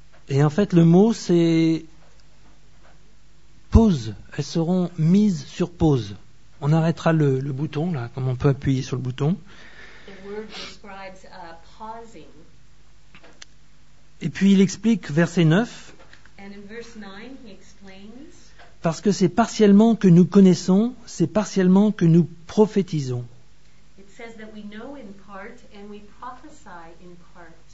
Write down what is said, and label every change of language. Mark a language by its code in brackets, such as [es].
[fr] Et en fait, le mot, c'est pause. Elles seront mises sur pause. On arrêtera le bouton, là, comme on peut appuyer sur le bouton. [en] The word describes, pausing. [fr] Et puis, il explique, verset 9, [en] and in verse 9 he explains, [fr] parce que c'est partiellement que nous connaissons, c'est partiellement que nous prophétisons. [en] It says that we know in part and we prophesy in part.